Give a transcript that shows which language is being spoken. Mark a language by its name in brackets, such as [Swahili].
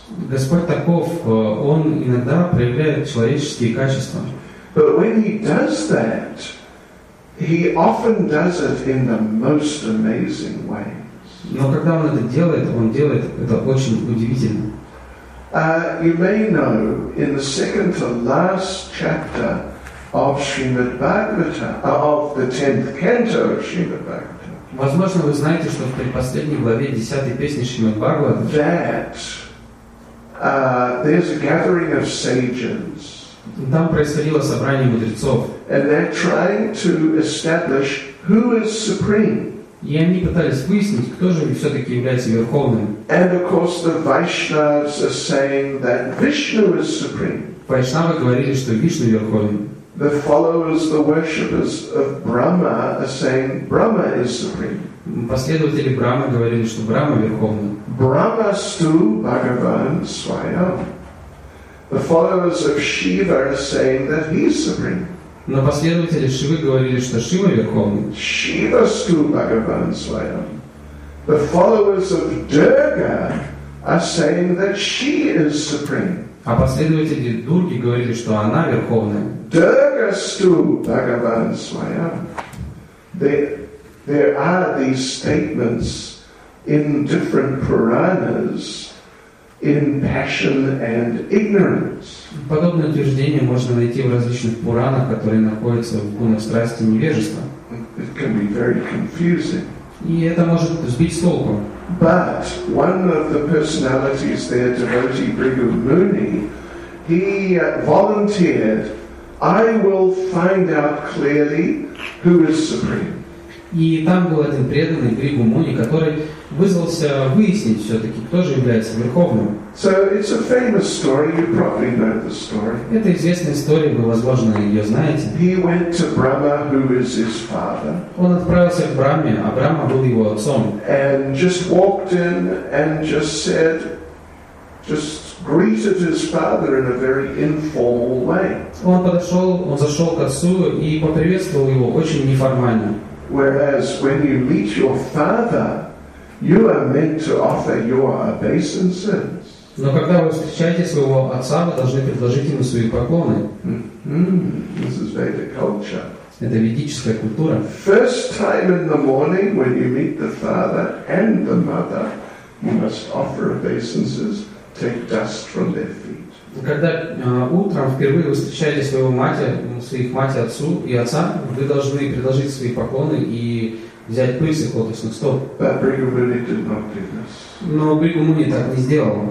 [Russian] Господь таков, Он иногда проявляет человеческие качества. [English] But when he does that, he often does it in the most amazing ways. [Russian] Но когда он делает это очень удивительно. [English] You may know, in the second to last chapter of Srimad Bhagavata, of the 10th canto of Srimad Bhagavata. [Russian] Возможно, вы знаете, что в предпоследней главе 10-й песни Шримад Бхагавата. [English] That there's a gathering of sages. [Russian] Там происходило собрание мудрецов. [English] And they're trying to establish who is supreme. [Russian] И они пытались выяснить, кто же все-таки является верховным. [English] And of course the Vaishnavas are saying that Vishnu is supreme. [Russian] Вайшнавы говорили, что Вишну верховен. [English] The followers, the worshippers of Brahma are saying Brahma is supreme. [Russian] Последователи Брахмы говорили, что Брахма верховный. [Sanskrit] Brahmastu Bhagavan Swayam. [English] The followers of Shiva are saying that he is supreme. [Russian] Но последователи Шивы говорили, что Шива верховный. [Sanskrit] Shiva stu Bhagavan Swayam. [English] The followers of Durga are saying that she is supreme. [Russian] А последователи Дурги говорили, что она верховная. [Sanskrit] Durga stu Bhagavan Swayam. [English] There are these statements in different Puranas. In passion and ignorance. [Russian] Подобное утверждение можно найти в различных пуранах, которые находятся в гунах страсти и невежества. [English] It can be very confusing. [Russian] И это может сбить с толку. [English] But one of the personalities there, devotee Bhrigu Muni, he volunteered I will find out clearly who is supreme. [Russian] И там был один преданный, Бригу Муни, который вызвался выяснить все-таки, кто же является Верховным. [English] So it's a famous story. You probably know the story. [Russian] Это известная история, вы, возможно, ее знаете. [English] He went to Brahma, who is his father. [Russian] Он отправился к Брахме, а Брахма был его отцом. [English] And just walked in and just said, just greeted his father in a very informal way. [Russian] Он подошел, он зашел к отцу и поприветствовал его очень неформально. [English] Whereas when you meet your father, you are meant to offer your obeisances. [Russian] Но когда вы встречаете своего отца, вы должны предложить ему свои поклоны. [English] This is Vedic culture. [Russian] Это ведическая культура. [English] First time in the morning when you meet the father and the mother, you must offer obeisances, take dust from their feet. [Russian] Когда утром впервые вы встречаете своего мать, отцу и отца, вы должны предложить свои поклоны и взять пыль с их лотосных стоп. Но Бригу Муни так не сделал.